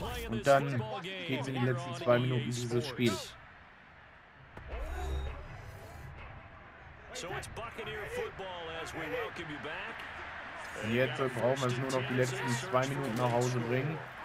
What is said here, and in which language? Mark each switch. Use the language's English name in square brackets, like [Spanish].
[German] Und dann geht es in die letzten 2 Minuten dieses Spiels. [English] So it's Buccaneer Football as we welcome you back. [German] Und jetzt brauchen wir es nur noch die letzten 2 Minuten nach Hause bringen.